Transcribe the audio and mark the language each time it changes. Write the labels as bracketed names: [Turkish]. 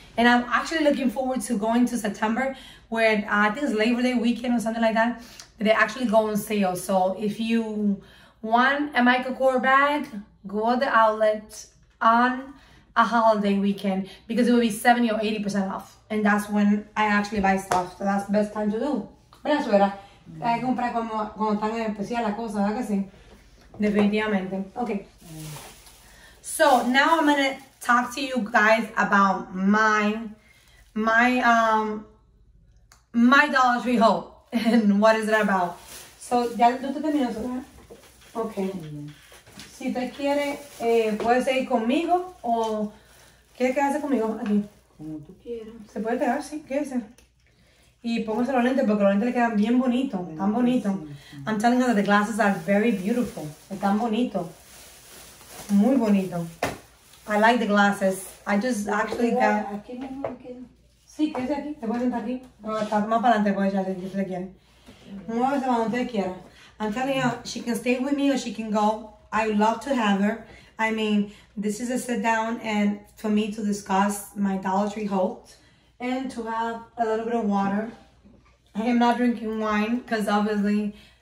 [English] And I'm actually looking forward to going to September where I think it's Labor Day weekend or something like that. They actually go on sale. So if you want a Michael Kors bag, go to the outlet on a holiday weekend because it will be 70 or 80% off. And that's when I actually buy stuff. So that's the best time to do. [Spanish] Buenas suera. Hay que comprar cuando están en especial las cosas, ¿verdad que sí? Definitivamente. Okay. [English] So now I'm gonna talk to you guys about my Dollar Tree haul and what is it about. [Spanish] So ya tú te terminas, ¿verdad? Okay. Si te quieres, puedes seguir conmigo o quieres quedarse conmigo aquí. Como tú quieras. Se puede quedar, sí, quédese. Y póngase los lentes porque los lentes le quedan bien bonitos, tan bonitos. [English] I'm telling her that the glasses are very beautiful. [Spanish] Están bonitos. Muy bonito. [English] I like the glasses. I just actually got... [Spanish] Aquí mismo, aquí. Sí, quédese aquí. Te puedes sentar aquí. Pero está más para adelante, puedes echarse si usted quiere. Muévese para donde usted quiera. [English] I'm telling her, she can stay with me or she can go. I would love to have her. I mean, this is a sit down and for me to discuss my Dollar Tree haul. And to have a little bit of water. I am not drinking wine because obviously.